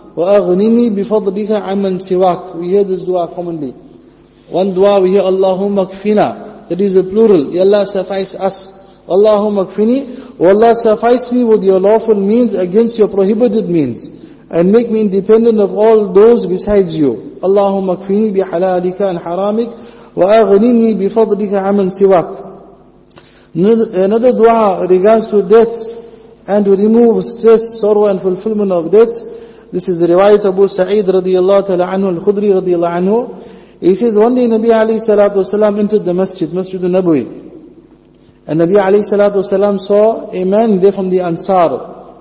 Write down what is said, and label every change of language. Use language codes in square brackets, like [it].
[ar] وَأَغْنِنِي بِفَضْلِكَ عَمَّنْ سِوَاكُ. [en] We hear this dua commonly. One dua we hear, Allahumma kfina. That is the plural. Ya Allah, suffice us. Allahumma kfini. Oh Allah, suffice me with your lawful means against your prohibited means. And make me independent of all those besides you. [ar] Allahumma kfini بِحَلَالِكَ عَنْ حَرَامِكَ وَأَغْنِنِي بِفَضْلِكَ عَمَّنْ سِوَاكُ. [en] Another dua regards to debts and to remove stress, sorrow and fulfillment of debts. This is the riwayat Abu Sa'id radiallahu ta'ala anhu, al-Khudri radiallahu anhu. He says, one day Nabi alayhi salatu wasalam entered the masjid, Masjid al-Nabawi. And Nabi alayhi salatu wasalam saw a man there from the Ansar.